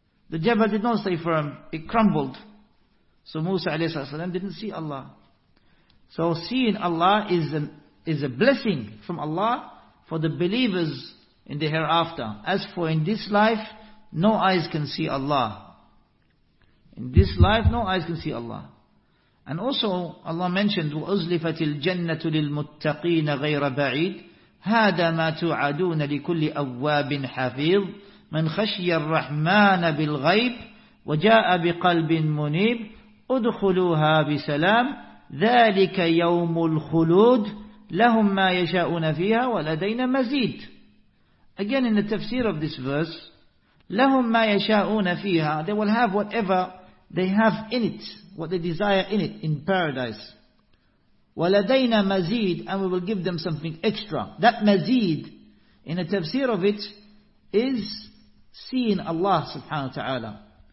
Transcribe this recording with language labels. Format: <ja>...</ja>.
<en>The Jabal did not stay firm, it crumbled. So Musa alayhi salam didn't see Allah. So seeing Allah is a blessing from Allah for the believers in the hereafter. As for in this life, no eyes can see Allah. In this life, no eyes can see Allah. And also, Allah mentioned,</en> <ar>وَأُزْلِفَتِ الْجَنَّةُ لِلْمُتَّقِينَ غَيْرَ بَعِيدٍ هَذَا مَا تُعَدُونَ لِكُلِّ أَوَّابٍ حَفِيظٍ مَنْ خَشْيَ الرَّحْمَنَ بِالْغَيْبِ وَجَاءَ بِقَلْبٍ مُنِيبٍ أُدْخُلُوهَا بِسَلَامٍ ذَلِكَ يَوْمُ الْخُلُودِ لَهُمْ مَا يَشَاءُنَ فِيهَا وَلَدَيْنَ مَزِيدٌ.</ar> <en>Again in the tafsir of this verse,</en> <ar>لَهُمْ مَا يَشَاءُنَ فِيهَا,</ar> <en>they will have whatever they have in it, what they desire in it, in paradise.</en> <ar>وَلَدَيْنَ مَزِيدٌ,</ar> <en>and we will give them something extra. That mazid, in the tafsir of it, is seeing Allah subhanahu wa ta'ala.</en>